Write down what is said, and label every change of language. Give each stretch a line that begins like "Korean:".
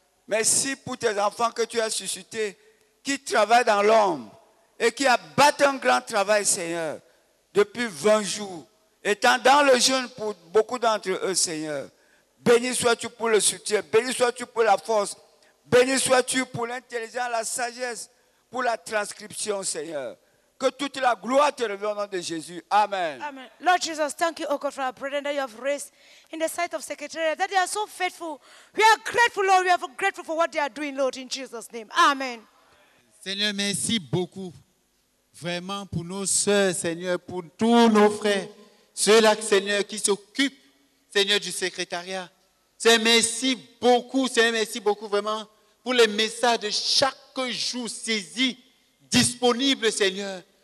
French: Merci pour tes enfants que tu as suscités, qui travaillent dans l'ombre et qui abattent un grand travail, Seigneur, depuis 20 jours, étant dans le jeûne pour beaucoup d'entre eux, Seigneur. Béni sois-tu pour le soutien, béni sois-tu pour la force, béni sois-tu pour l'intelligence, la sagesse, pour la transcription, Seigneur. Que toute la gloire te revienne au nom de Jésus. Amen. Amen.
English: Lord Jesus, thank you, O God, for our brethren that you have raised in the sight of secretariat, that they are so faithful. We are grateful, Lord. We are grateful for what they are doing, Lord, in Jesus' name. Amen.
French: Seigneur, merci beaucoup, vraiment, pour nos soeurs, Seigneur, pour tous nos frères, ceux-là, Seigneur, qui s'occupent, Seigneur, du secrétariat. Seigneur, merci beaucoup, vraiment, pour les messages de chaque jour saisis, disponibles, Seigneur.